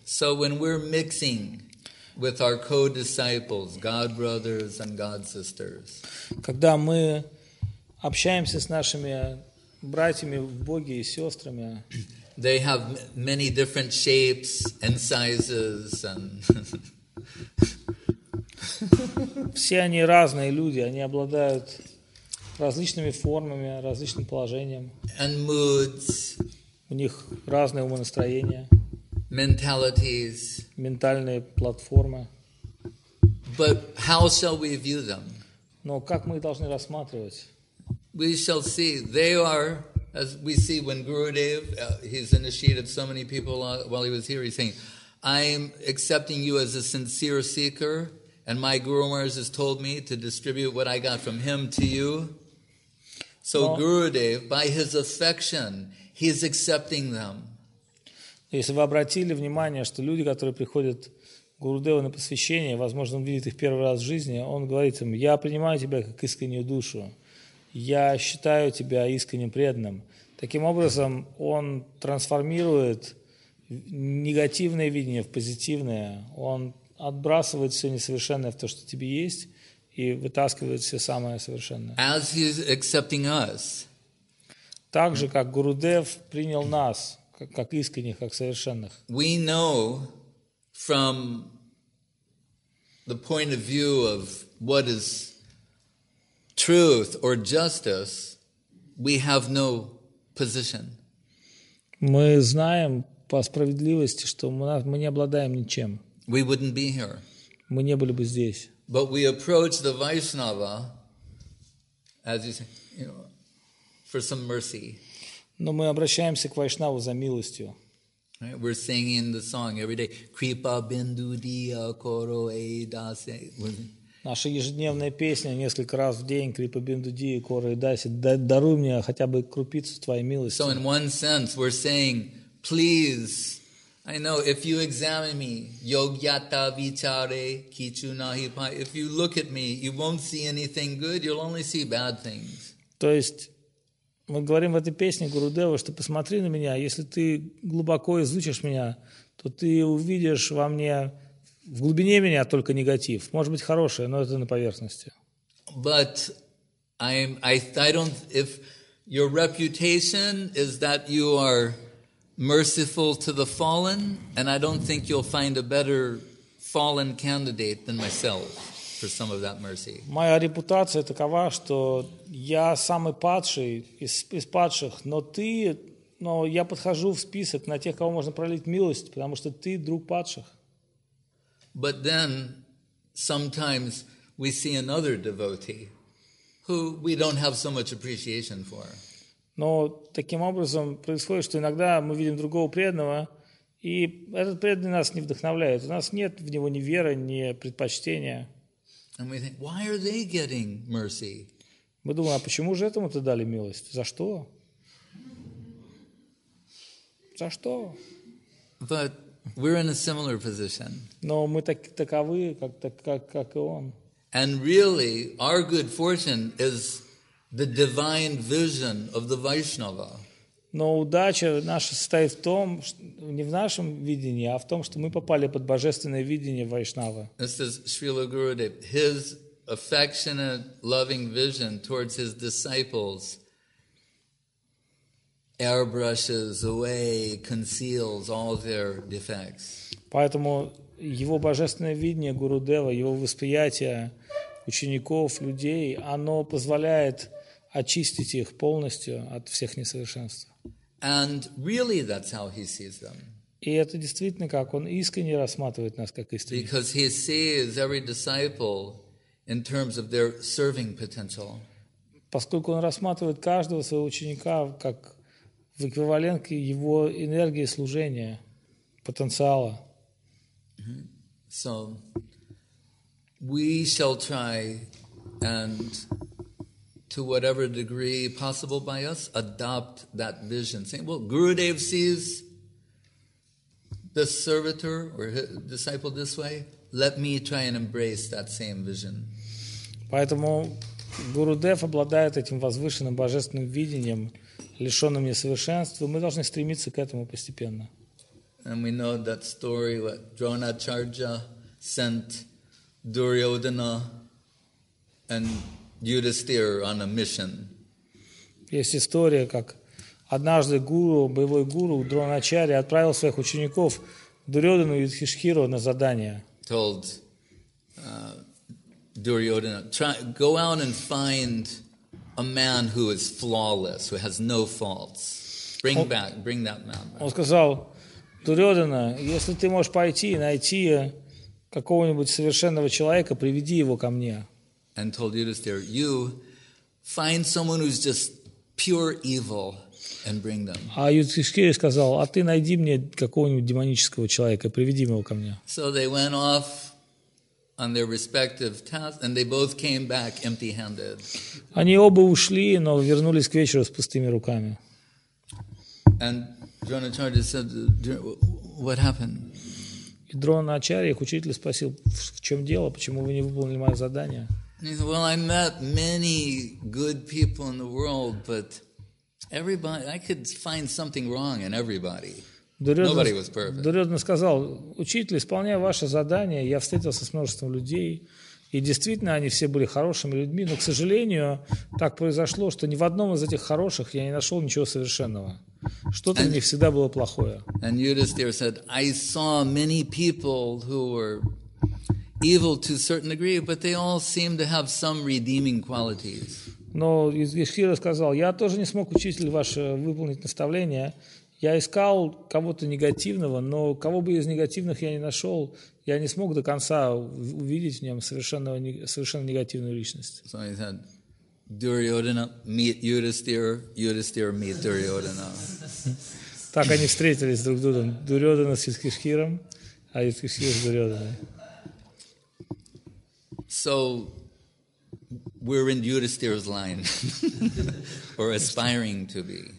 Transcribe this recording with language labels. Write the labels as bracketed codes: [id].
[en] So when we're mixing with our co-disciples, God brothers and God sisters, [ru] когда мы общаемся с нашими братьями в Боге и сестрами, [en] they have many different shapes and sizes and [ru] все они разные люди, они обладают различными формами, различным положением. [en] And moods. [ru] У них разные умонастроения. [en] Mentalities. [ru] Ментальные платформы. [en] But how shall we view them? [ru] Но как мы должны рассматривать? [en] We shall see. They are, as we see when Gurudev, he's initiated so many people while he was here, he's saying, I'm accepting you as a sincere seeker, and my Guru Maharaj has told me to distribute what I got from him to you. So Gurudev, by his affection, he is accepting them. [ru] Если вы обратили внимание, что люди, которые приходят к Гурудеву на посвящение, возможно, он видит их первый раз в жизни, он говорит им, я принимаю тебя как искреннюю душу, я считаю тебя искренним преданным. Таким образом, он трансформирует негативное видение в позитивное, он отбрасывает все несовершенное в то, что тебе есть, и вытаскивает все самое совершенное. [en] As he is accepting us. [ru] Так же, как Гурудев принял нас, как искренних, как совершенных. [en] We know from the point of view of what is truth or justice, we have no position. [ru] Мы знаем по справедливости, что мы не обладаем ничем. [en] We wouldn't be here. [ru] Мы не были бы здесь. [en] But we approach the Vaishnava, as you say, you know, for some mercy. [ru] Но мы обращаемся к Вайшнаву за милостью. [en] Right? We're singing the song every day. [bn] Kripa bindu diya koro edase. [ru] Наша ежедневная песня несколько раз в день. [bn] Kripa bindu diya koro edase. [ru] Даруй мне хотя бы крупицу твоей милости. [en] So in one sense we're saying, please, I know, if you examine me, [bn] yogyata vichare kichu nahi pa, [en] if you look at me, you won't see anything good, you'll only see bad things. [ru] То есть, мы говорим в этой песне Гурудева, что посмотри на меня, если ты глубоко изучишь меня, то ты увидишь во мне, в глубине меня только негатив. Может быть, хорошее, но это на поверхности. [en] But I don't, if your reputation is that you are merciful to the fallen, and I don't think you'll find a better fallen candidate than myself for some of that mercy. [ru] Моя репутация такова, что я самый падший из падших, но я подхожу в список на тех, кого можно пролить милость, потому что ты друг падших. [en] But then sometimes we see another devotee who we don't have so much appreciation for. [ru] Но таким образом происходит, что иногда мы видим другого преданного, и этот преданный нас не вдохновляет. У нас нет в него ни веры, ни предпочтения. [en] And we think, why are they getting mercy? [ru] Мы думаем, а почему же этому-то дали милость? За что? За что? [en] But we're in a similar position. [ru] Но мы таковы, как и он. [en] And really, our good fortune is the divine vision of the Vaishnava. [ru] Но удача наша состоит в том, не в нашем видении, а в том, что мы попали под божественное видение Вайшнава. [en] This is Srila Gurudev. His affectionate, loving vision towards his disciples airbrushes away, conceals all their defects. [ru] Поэтому его божественное видение Гурудева, его восприятие учеников, людей, оно позволяет очистить их полностью от всех несовершенств. [en] And really that's how he sees them. [ru] И это действительно как он искренне рассматривает нас как истинных. [en] Because he sees every disciple in terms of their serving potential. [ru] Поскольку он рассматривает каждого своего ученика как в эквиваленте его энергии служения, потенциала. [en] So we shall try and to whatever degree possible by us adopt that vision. Saying, well, Gurudev sees the servitor or his disciple this way, let me try and embrace that same vision. [ru] Поэтому Гурудев обладает этим возвышенным божественным видением, лишенным несовершенства, мы должны стремиться к этому постепенно. [en] And we know that story what Dronacharya sent Duryodhana and Yudhisthira on a mission. [ru] Есть история, как однажды гуру, боевой гуру Дроначарья отправил своих учеников Дурьодхану и Юдхиштхиру на задание. [en] Told Duryodhana, try go out and find a man who is flawless, who has no faults. Bring that man back. [ru] Он сказал, Дурьодхана, если ты можешь пойти и найти какого-нибудь совершенного человека, приведи его ко мне. [en] And told Yudhisthira, you find someone who's just pure evil and bring them. [ru] А Юдхиштхира сказал, а ты найди мне какого-нибудь демонического человека, приведи его ко мне. [en] So they went off on their respective tasks, and they both came back empty-handed. [ru] Они оба ушли, но вернулись к вечеру с пустыми руками. [en] And Dronacharya said, what happened? [ru] И Дронаачарья, их учитель, спросил, в чем дело, почему вы не выполнили мое задание? [en] He said, well, I met many good people in the world, but everybody, I could find something wrong in everybody. Nobody was perfect. [ru] Дурьодхана сказал, учитель, исполняя ваше задание, я встретился с множеством людей, и действительно, они все были хорошими людьми, но, к сожалению, так произошло, что ни в одном из этих хороших я не нашел ничего совершенного. Что-то в них всегда было плохое. [en] And Yudhisthira said, I saw many people who were evil to a certain degree, but they all seem to have some redeeming qualities. [ru] Но Юдхиштхира сказал, я тоже не смог, учитель ваш, выполнить наставление. Я искал кого-то негативного, но кого бы из негативных я не нашел, я не смог до конца увидеть в нем совершенно негативную личность. [en] So he said, Duryodhana, meet Yudhisthira, Yudhisthira, meet Duryodhana. [ru] Так они встретились друг с другом. Дурьодхана с Юдхиштхиром, а Юдхиштхира с Дурьодханой. [en] So we're in Yudhisthira's line, or aspiring to be.